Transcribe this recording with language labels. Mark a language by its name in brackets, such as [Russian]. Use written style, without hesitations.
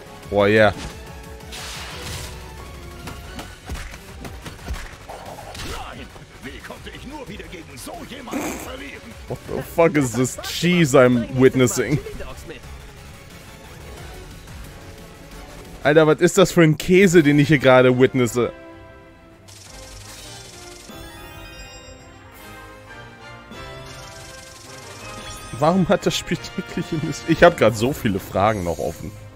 [German] Boah, yeah. Nein, wie konnte ich nur wieder gegen so jemanden verlieren? [English] What the fuck is this cheese I'm witnessing? [German] Alter, was ist das für ein Käse, den ich hier gerade witnesse? Warum hat das Spiel wirklich ein bisschen... Ich habe gerade so viele Fragen noch offen.